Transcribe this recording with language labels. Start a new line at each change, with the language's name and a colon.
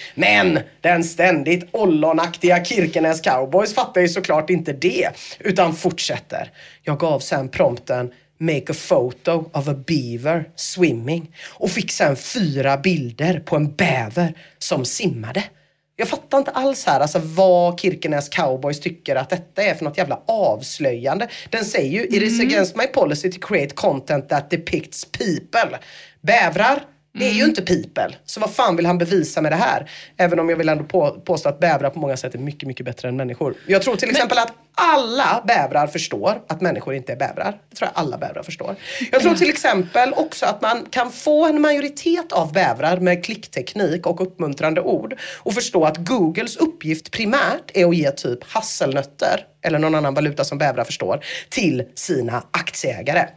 Swedish: Men den ständigt ollonaktiga Kirkenes Cowboys fattar ju såklart inte det, utan fortsätter. Jag gav sen prompten
English: make a photo of a beaver swimming
Swedish: och fick sen 4 bilder på en bäver som simmade. Jag fattar inte alls här, alltså, vad Kirkenes Cowboys tycker att detta är för något jävla avslöjande. Den säger ju,
English: it is against my policy to create content that depicts people.
Swedish: Bävrar, det är ju inte people. Så vad fan vill han bevisa med det här? Även om jag vill ändå påstå att bävrar på många sätt är mycket, mycket bättre än människor. Jag tror till exempel att alla bävrar förstår att människor inte är bävrar. Det tror jag alla bävrar förstår. Jag tror till exempel också att man kan få en majoritet av bävrar med klickteknik och uppmuntrande ord och förstå att Googles uppgift primärt är att ge typ hasselnötter eller någon annan valuta som bävrar förstår till sina aktieägare.